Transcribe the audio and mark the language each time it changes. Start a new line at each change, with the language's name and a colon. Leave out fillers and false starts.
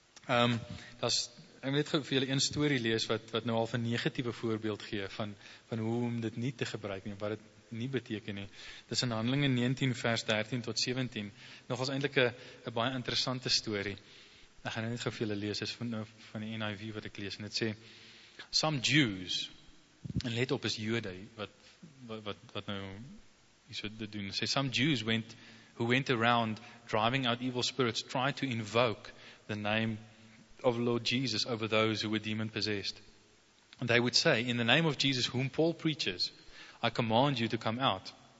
Afrikaans: Ek wil net vir julle een story lees wat nou al van negatieve voorbeeld gee van hoe om dit nie te gebruik nie, wat het nie beteken nie. Dit is in Handelinge 19 vers 13 tot 17. Nogals eindelijk een baie interessante story. Ek gaan net vir julle lees, is van die NIV wat ek lees. En het sê,
English: some Jews,
Afrikaans: en let op is Jode, wat nou hier so te doen. Sê,
English: some Jews who went around driving out evil spirits tried to invoke the name of Lord Jesus over those who were demon possessed. And they would say, in the name of Jesus whom Paul preaches, I command you to come out.